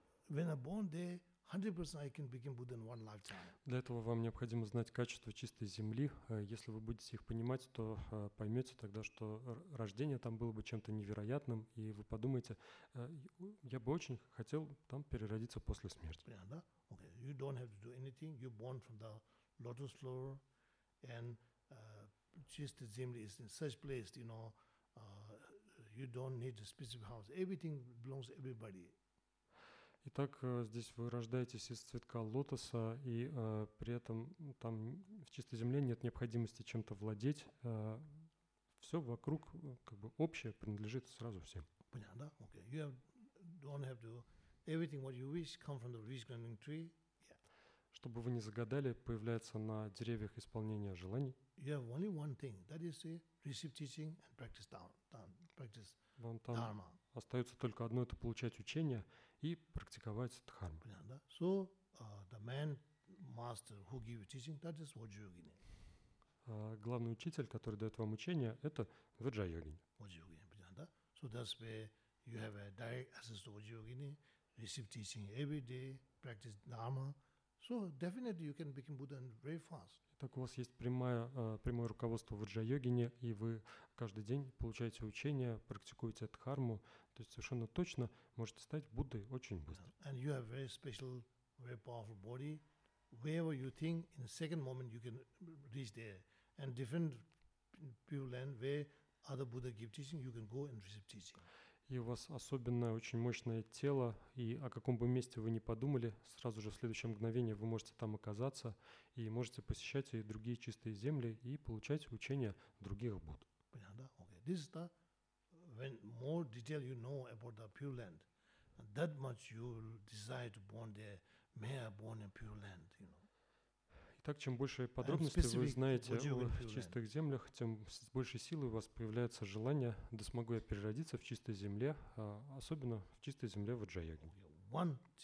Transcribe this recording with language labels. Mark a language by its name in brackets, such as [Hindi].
[English] When I'm born there, 100% I can become Buddha in one lifetime. [Russian] Для этого вам необходимо знать качество чистой земли. Если вы будете их понимать, то поймете тогда, что рождение там было бы чем-то невероятным, и вы подумаете, я бы очень хотел там переродиться после смерти. Понятно, да? [English] Okay. You don't have to do anything. You're born from the lotus flower, and [Russian] чистая земля [English] is in such place, you don't need a specific house. Everything belongs to everybody. [Russian] Итак, здесь вы рождаетесь из цветка лотоса, и при этом там в чистой земле нет необходимости чем-то владеть. Все вокруг как бы общее принадлежит сразу всем. Понятно, да? [English] Okay. You don't have to. Everything what you wish come from the wish-granting tree. Yeah. [Russian] Что бы вы ни загадали, появляется на деревьях исполнения желаний. [English] You have only one thing. That is to receive teaching and practice practice dharma. [Russian] Остается только одно – это получать учение и практиковать дхарму. Понятно, да? [English] So, the man, master, who give you teaching, that is Vajrayogini. [Russian] Главный учитель, который дает вам учение, это Vajrayogini. Vajrayogini, понятно, да? [English] So, that's where you have a direct access to Vajrayogini, receive teaching every day, practice dharma. So, definitely you can become Buddha very fast. [Russian] Так у вас есть прямое руководство Vajrayogini, и вы каждый день получаете учение, практикуете дхарму, то есть совершенно точно можете стать Буддой очень быстро. [English] And you have very special, very powerful body. Wherever you think, in a second moment you can reach there. And different pure land where other Buddha give teaching, you can go and receive teaching. [Russian] И у вас особенное, очень мощное тело, и о каком бы месте вы ни подумали, сразу же в следующее мгновение вы можете там оказаться и можете посещать и другие чистые земли и получать учения других Будд. Понятно, да? [English] Okay. This is the when more detail you know about the pure land, that much you will desire to born there, may I born in pure land, you know. [Russian] Итак, чем больше подробностей вы знаете о чистых землях, тем с большей силой у вас появляется желание, да смогу я переродиться в чистой земле, особенно в чистой земле Vajrayogini.